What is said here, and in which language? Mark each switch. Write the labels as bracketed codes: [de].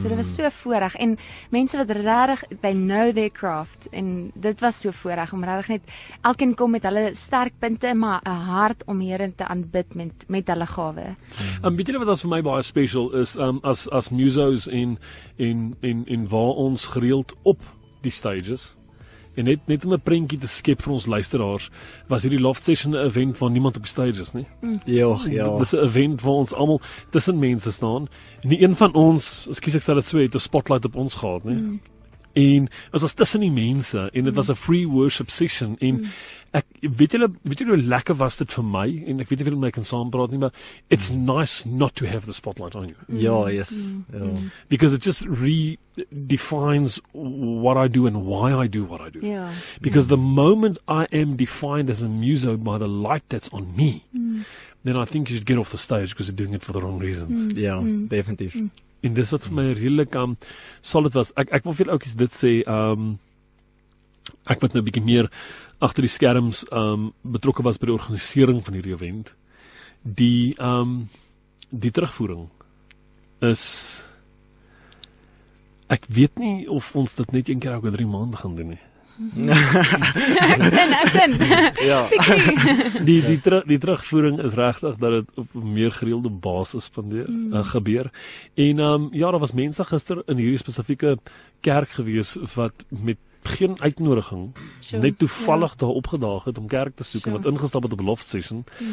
[af] So dit was so voorreg en mense wat regtig they know their craft en dit was so voorreg om regtig net elkeen kom met hulle sterkpunte maar 'n hart om Here te aanbid met hulle gawe. Weet julle wat vir my baie special is as musos in waar ons gereeld op die stages, en net om 'n prentjie te skep vir ons luisteraars, was hierdie loft session 'n event waar niemand op die stages nie. Ja. Dit is 'n event waar ons allemaal tussen mense staan, en die een van ons, excuse ek stel het so, het een spotlight op ons gehad, nie? En ons was tussen die mense, en het was 'n free worship session, en ek, weet julle hoe lekker was dit vir my, en ek weet nie veel om my kan saampraat nie, maar it's nice not to have the spotlight on you. Ja. [en] Because it just redefines what I do and why I do what I do. Yeah. Because the moment I am defined as a muso by the light that's on me, then I think you should get off the stage because you're doing it for the wrong reasons. Mm. Yeah, definitely. [af] En dis wat vir my redelik solid was. Ek wil vir oukies dit sê, ek wat nou bietjie meer agter die skerms betrokke was by die organisering van hierdie event, die terugvoering is, ek weet nie of ons dit net een keer elke 3 maande gaan doen nie. Ek sin. Ja. Die terugvoering is regtig dat het op meer gereelde basis gebeur. En daar was mense gister in hierdie spesifieke kerk gewees wat met geen uitnodiging net toevallig daar opgedaag het om kerk te soek en wat ingestap het op loft session.